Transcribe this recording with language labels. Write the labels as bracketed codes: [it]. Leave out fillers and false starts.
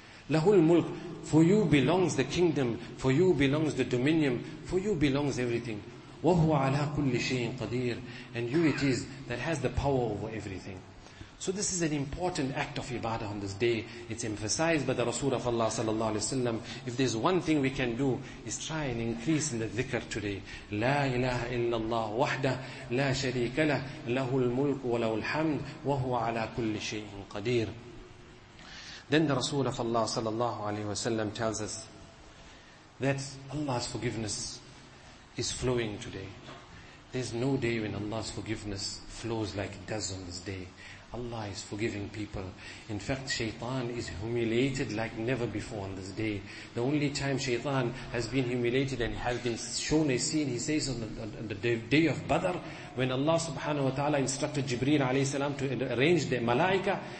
[en] Lahul mulk, for you belongs the kingdom, for you belongs the dominion, for you belongs everything. [ar] وَهُوَ عَلَىٰ كُلِّ شَيْءٍ قَدِيرٍ, [en] and you it is that has the power over everything. So this is an important act of ibadah on this day. It's emphasized by the Rasul of Allah sallallahu alayhi wa sallam. If there's one thing we can do, is try and increase in the dhikr today. [ar] لا إله إلا الله وحده لا شريك له له الملك وله الحمد وهو على كل شيء قدير. [en] Then the Rasul of Allah sallallahu alayhi wa sallam tells us, that Allah's forgiveness is flowing today. There's no day when Allah's forgiveness flows like it does on this day. Allah is forgiving people. In fact, shaitan is humiliated like never before on this day. The only time shaitan has been humiliated and has been shown a scene, he says on the day of Badr, when Allah subhanahu wa ta'ala instructed Jibreel alayhi salam to arrange the malaika.